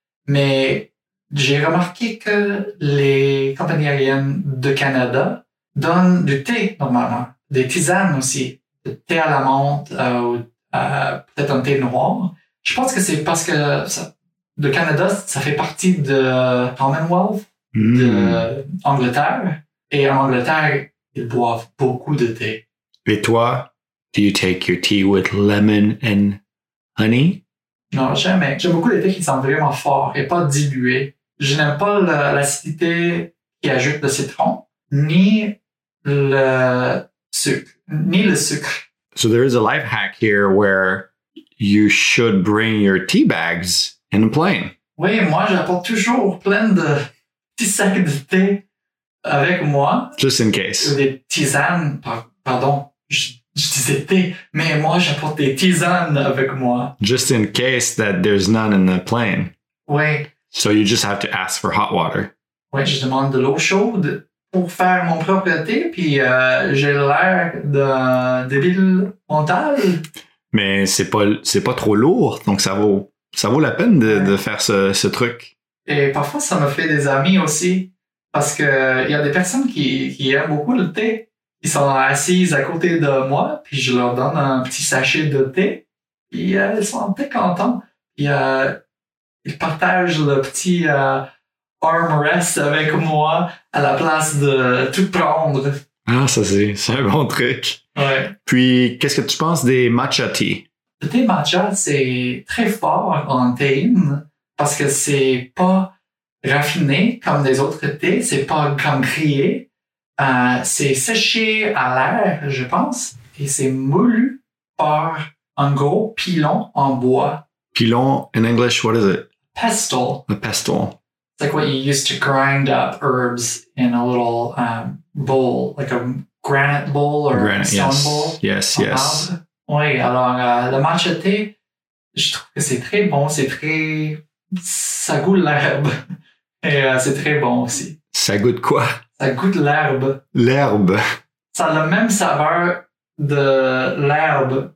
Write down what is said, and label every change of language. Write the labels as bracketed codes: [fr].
[fr] Mais j'ai remarqué que les compagnies aériennes de Canada donnent du thé normalement, des tisanes aussi, du thé à la menthe peut-être un thé noir. Je pense que c'est parce que le Canada, ça fait partie de Commonwealth, de Angleterre. Et en Angleterre, ils boivent beaucoup de thé. Et toi, [en] do you take your tea with lemon and honey? [fr] Non, jamais. J'aime beaucoup les thés qui sont vraiment forts et pas dilués. Je n'aime pas l'acidité qui ajoute le citron, ni le sucre. [en] So there is a life hack here where you should bring your tea bags in a plane. [fr] Oui, moi j'apporte toujours plein de petits sacs de thé avec moi. [en] Just in case. [fr] Des tisanes, pardon. Je disais thé, mais moi j'apporte des tisanes avec moi. [en] Just in case that there's none in the plane. [fr] Oui. [en] So you just have to ask for hot water. [fr] Oui, je demande de l'eau chaude pour faire mon propre thé, puis j'ai l'air de débile mental. Mais c'est pas trop lourd, donc ça vaut la peine de faire ce truc. Et parfois ça me fait des amis aussi, parce que il y a des personnes qui aiment beaucoup le thé. Ils sont assises à côté de moi, puis je leur donne un petit sachet de thé, puis elles sont très contentes. Puis ils partagent le petit armrest avec moi à la place de tout prendre. Ah, ça c'est un bon truc. Ouais. Puis, qu'est-ce que tu penses des matcha tea? Le thé matcha, c'est très fort en théine, parce que c'est pas raffiné comme les autres thés, c'est pas cambrié. C'est séché à l'air, je pense, et c'est moulu par un gros pilon en bois. [en] Pilon, in English, what is it? Pestle. A pestle. It's like what you use to grind up herbs in a little bowl, like a granite bowl or granite, stone yes. bowl. Yes. [fr] Oui, alors le matcha tea, je trouve que c'est très bon, c'est très... ça goûte l'herbe, et c'est très bon aussi. Ça goûte quoi? Ça goûte l'herbe. L'herbe. Ça a la même saveur de l'herbe.